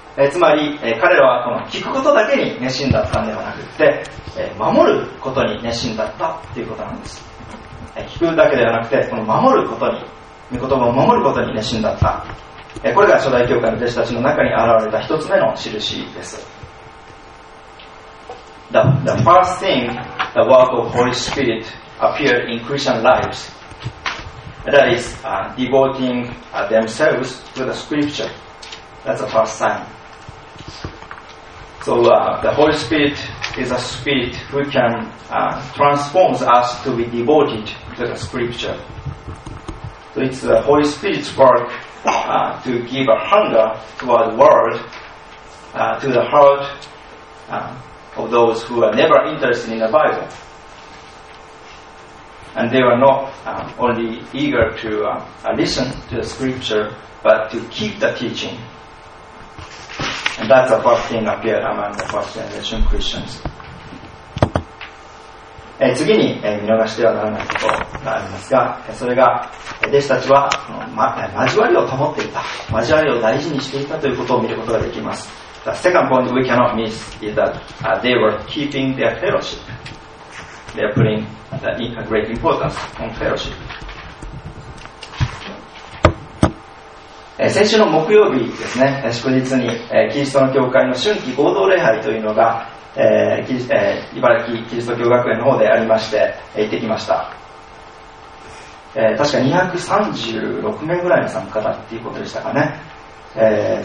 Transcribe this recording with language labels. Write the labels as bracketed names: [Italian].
[Japanese] つまり彼らはこの聞くことだけに熱心だったのではなくて、守ることに熱心だったということなんです。聞くだけではなくて、この守ることに、御言葉を守ることに熱心だった、これが初代教会の弟子たちの中に現れた一つ目の印です。 [English] The first thing the work of Holy Spirit appeared in Christian lives. That is, devoting themselves to the scripture. That's the first sign. So, the Holy Spirit is a spirit who can transform us to be devoted to the scripture. So it's the Holy Spirit's work to give a hunger toward the word to the heart of those who are never interested in the Bible. And they were not only eager to listen to the scripture, but to keep the teaching. And that's the first thing appeared among the first generation Christians. [Japanese] 次に、見逃してはならないことがありますが、それが弟子たちは、交わりを保っていた、交わりを大事にしていたということを見ることができます。 [English] The second point we cannot miss is that they were keeping their fellowship. They are putting a great importance on fellowship. [Japanese] 先週の木曜日ですね、祝日にキリストの教会の春季合同礼拝というのが、茨城キリスト教学園の方でありまして、行ってきました。確か236名ぐらいの参加だということでしたかね。